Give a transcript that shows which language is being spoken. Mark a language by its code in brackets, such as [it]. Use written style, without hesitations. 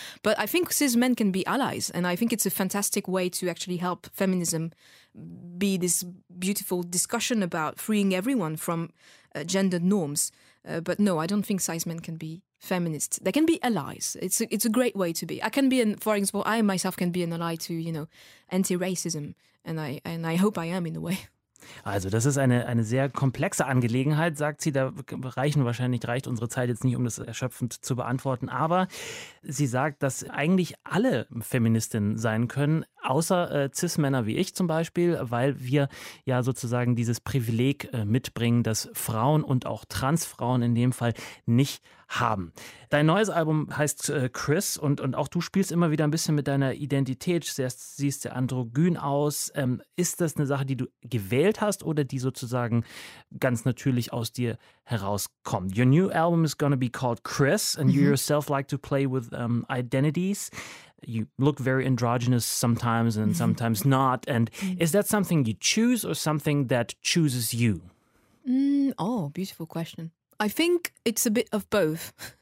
[en] But I think cis men can be allies, and I think it's a fantastic way to actually help feminism be this beautiful discussion about freeing everyone from gendered norms. But no, I don't think cis men can be feminist. They can be allies. It's a great way to be. I can be, for example, I myself can be an ally to, you know, anti-racism. And I hope I am in a way. [de] Also das ist eine sehr komplexe Angelegenheit, sagt sie. Da reicht unsere Zeit jetzt nicht, um das erschöpfend zu beantworten. Aber sie sagt, dass eigentlich alle Feministinnen sein können, außer Cis-Männer wie ich zum Beispiel, weil wir ja sozusagen dieses Privileg mitbringen, dass Frauen und auch Transfrauen in dem Fall nicht haben. Dein neues Album heißt Chris und auch du spielst immer wieder ein bisschen mit deiner Identität, siehst sehr androgyn aus. Ist das eine Sache, die du gewählt hast oder die sozusagen ganz natürlich aus dir herauskommt? [en] Your new album is gonna be called Chris and you yourself like to play with identities. You look very androgynous sometimes and sometimes not. And is that something you choose or something that chooses you? Oh, beautiful question. I think it's a bit of both.